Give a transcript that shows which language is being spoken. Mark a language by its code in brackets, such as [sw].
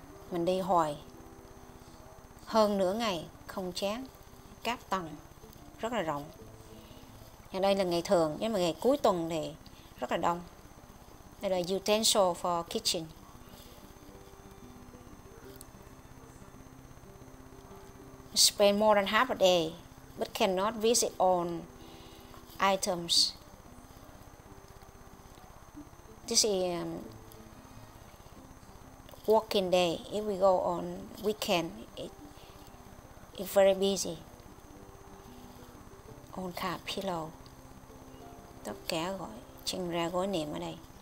[vi] Mình đi hồi hơn nửa ngày không chán. Các tầng rất là rộng. Nhà đây là ngày thường, nhưng mà ngày cuối tuần thì rất là đông. [en] Đây là utensil for kitchen. Spend more than half a day, but cannot visit all items. This is working day. If we go on weekend, it's very busy. [vi] On cả pillow, tất cả gọi trình ra gói niệm ở đây.